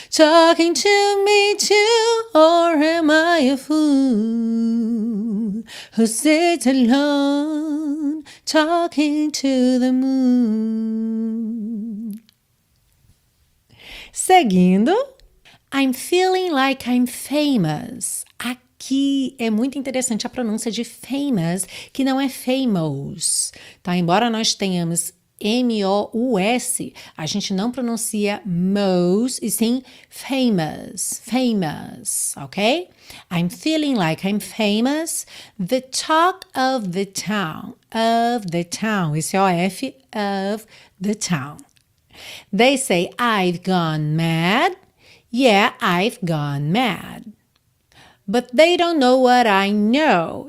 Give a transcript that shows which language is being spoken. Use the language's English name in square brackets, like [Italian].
[English] Talking to me too. Or am I a fool who sits alone talking to the moon? Seguindo. I'm feeling like I'm famous. [Portuguese] Aqui é muito interessante a pronúncia de famous, que não é famous. Tá? Embora nós tenhamos M-O-U-S, a gente não pronuncia mous, e sim famous, famous, ok? [English] I'm feeling like I'm famous, the talk of the town, esse O-F, of the town. They say I've gone mad, yeah, I've gone mad. But they don't know what I know.